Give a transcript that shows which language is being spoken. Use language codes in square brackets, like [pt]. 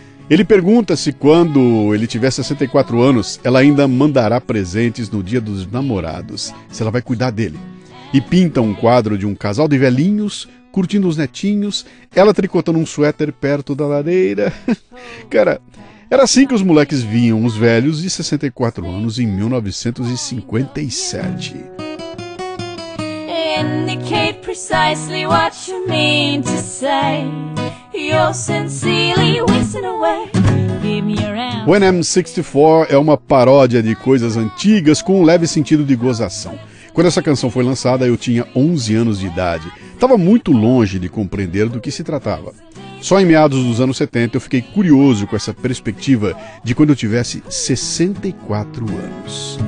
[pt] Ele pergunta se quando ele tiver 64 anos, ela ainda mandará presentes no Dia dos Namorados, se ela vai cuidar dele. E pinta um quadro de um casal de velhinhos, curtindo os netinhos, ela tricotando um suéter perto da lareira. Cara, era assim que os moleques viam os velhos de 64 anos em 1957. [en] Indicate precisely what you mean to say. You're sincerely wasting away. Give me your answer. [pt] When I'm 64 é uma paródia de coisas antigas com um leve sentido de gozação. Quando essa canção foi lançada, eu tinha 11 anos de idade. Estava muito longe de compreender do que se tratava. Só em meados dos anos 70 eu fiquei curioso com essa perspectiva de quando eu tivesse 64 anos.